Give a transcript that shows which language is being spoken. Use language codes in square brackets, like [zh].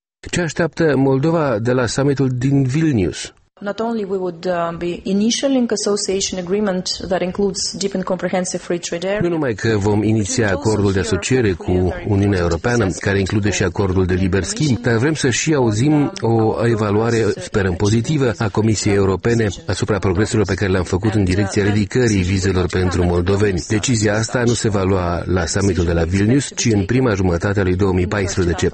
[ro] Ce așteaptă Moldova de la summitul din Vilnius? [en] Not only we would be initialing association agreement that includes deep and comprehensive free trade area. [ro] Nu numai că vom iniția acordul de asociere cu Uniunea Europeană, care include și acordul de liber schimb, dar vrem să și auzim o evaluare, sperăm pozitivă, a Comisiei Europene asupra progreselor pe care le-am făcut în direcția ridicării vizelor pentru moldoveni. Decizia asta nu se va lua la summitul de la Vilnius, ci în prima jumătate a lui 2014.